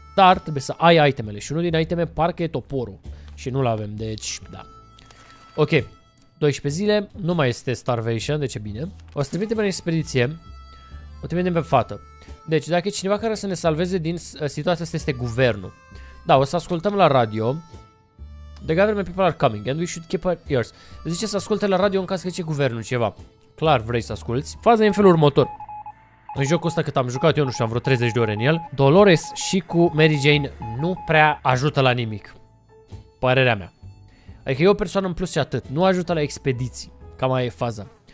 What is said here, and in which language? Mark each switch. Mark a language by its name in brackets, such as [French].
[Romanian] Dar trebuie să ai itemele și unul din iteme parcă e toporul. Și nu-l avem, deci da. Ok, 12 zile, nu mai este starvation, deci e bine. O să trimitem în expediție. O trimitem pe fată. Deci dacă e cineva care să ne salveze din situația asta este guvernul. Da, o să ascultăm la radio. [English] The government people are coming and we should keep our ears. [Romanian] Zice să asculte la radio în caz că zice guvernul ceva. Clar vrei să asculti. Faza e în felul următor. În jocul ăsta cât am jucat, eu nu știu, am vreo 30 de ore în el, Dolores și cu Mary Jane nu prea ajută la nimic. Părerea mea. Adică e o persoană în plus și atât. Nu ajută la expediții. Cam aia e faza.